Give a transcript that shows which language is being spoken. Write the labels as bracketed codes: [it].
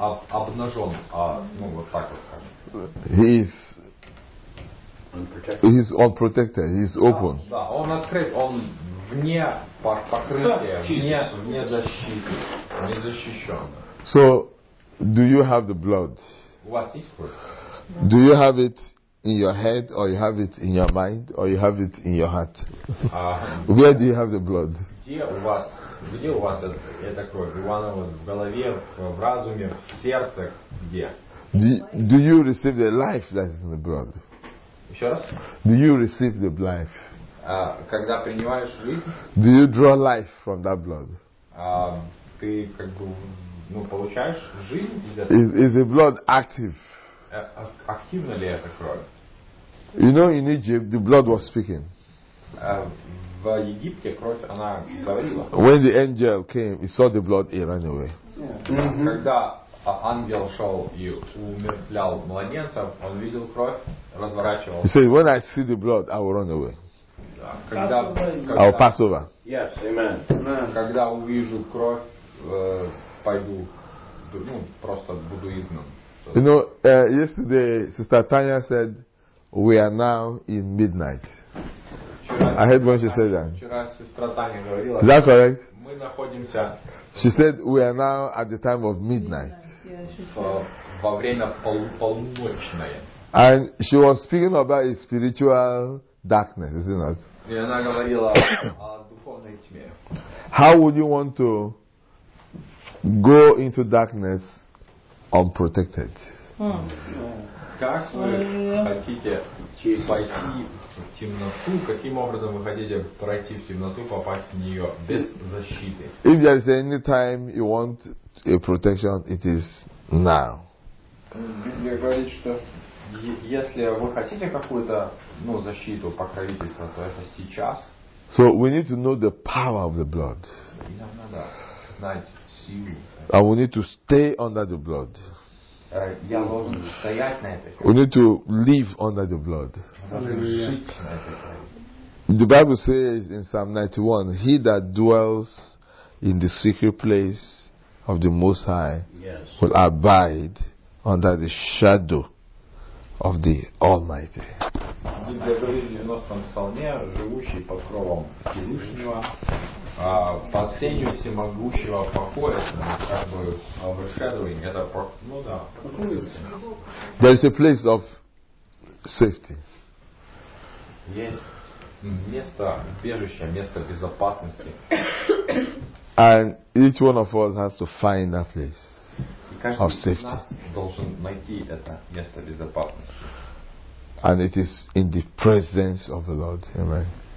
[ru] Обнажен, ну вот так вот скажем. [en] He is Unprotected. He's unprotected. He's open. [ru] Да, он открыт. Он вне покрытия, вне защиты, не защищен. [en] So, do you have the blood? What is blood? Do you have it in your head, or you have it in your mind, or you have it in your heart? Where do you have the blood? [ru] Где у вас это кровь? Ивана, в голове, в разуме, в сердце, где? [en] Do you receive the life that is in the blood? [ru] Еще раз? [en] Do you receive the life? [ru] Когда принимаешь жизнь? [en] Do you draw life from that blood? [ru] Ты как бы, ну, получаешь жизнь из этого? [en] Is the blood active? [ru] Активна ли эта кровь? [en] You know, in Egypt, the blood was speaking. [ru] В Египте кровь, она говорила. [en] When the angel came, he saw the blood, he ran away. Mm-hmm. [ru] Когда ангел шел и умертвлял младенца, он видел кровь, разворачивался. [en] He said, when I see the blood, I will run away. [ru] Когда, [en] I'll pass over. Yes, amen. [ru] Когда увижу кровь, пойду, ну, просто буду изгнан. [en] You know, yesterday Sister Tanya said, we are now in midnight. [ru] Вчера, [en] I heard when she said that. [ru] Вчера, говорила, [en] is that correct? [ru] Мы находимся... [en] She said, we are now at the time of midnight. [ru] Во время полуночное. [en] And she was speaking about a spiritual darkness, is it not? [ru] И она говорила о духовной тьме. [en] How would you want to go into darkness unprotected? [ru] Как вы хотите пойти в темноту? Каким образом вы хотите пройти в темноту, попасть в нее без защиты? [en] If there is any time you want a protection, it is now. [ru] Библия говорит, что если вы хотите какую-то, ну, защиту, покровительство, то это сейчас. [en] So we need to know the power of the blood. [ru] И нам надо знать. [en] And we need to stay under the blood. We need to live under the blood. The Bible says in Psalm 91, he that dwells in the secret place of the Most High will abide under the shadow of the Almighty. [ru] Библия говорит в 90-м псалме, живущий под кровом Всевышнего, под сенью всемогущего покоя, как бы overshadowing, это, ну да, покоится. [en] There is a place of safety. [ru] Есть место, убежище, место безопасности. [en] And each one of us has to find that place of safety. [ru] Должен найти это место безопасности. [en] And it is in the presence of the Lord. Amen.